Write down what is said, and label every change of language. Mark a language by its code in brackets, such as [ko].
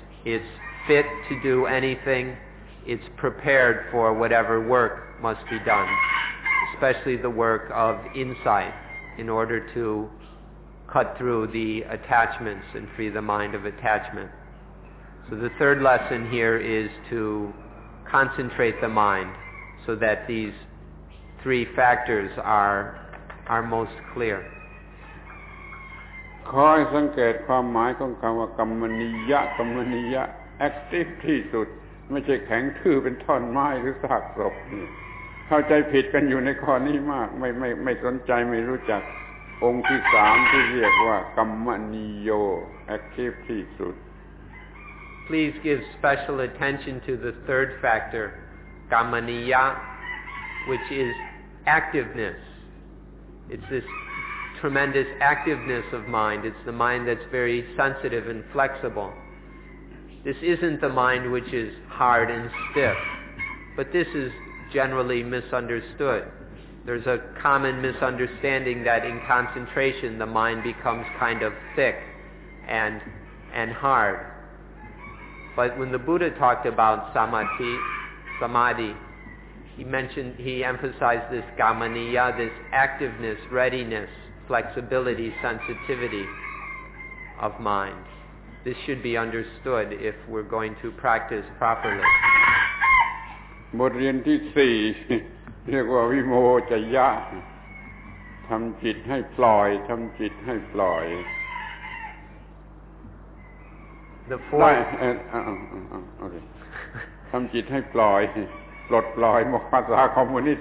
[en] It's fit to do anything. It's prepared for whatever work must be done, especially the work of insight in order to cut through the attachments and free the mind of attachment. So the third lesson here is to concentrate the mind so that these three factors are most clear. [th] คอยสังเกตความหมายของคำว่ากรรมนิยะกรรมนิยะ active ที่สุดไม่ใช่แข็งทื่อเป็นท่อนไม้หรือซากศพเข้าใจผิดกันอยู่ในข้อนี้มากไม่สนใจไม่รู้จักองค์ที่สามที่เรียกว่ากรรมนิโย active ที่สุด [en] Please give special attention to the third factor กรรมนิยะ which is activeness. It's this tremendous activeness of mind. It's the mind that's very sensitive and flexible. This isn't the mind which is hard and stiff, but this is generally misunderstood. There's a common misunderstanding that in concentration the mind becomes kind of thick and hard. But when the Buddha talked about samadhi, he emphasized this gamaniya, this activeness, readiness, flexibility, sensitivity of mind. This should be understood if we're going to practice properly. [th] บทเรียนที่สี่เรียกว่าวิโมจยะทำจิตให้ปล่อยทำจิตให้ปล่อย [en] The fourth. [th] ได้โอเคทำจิตให้ปล่อยปลดปล่อยมหาสาคอมมูนิสต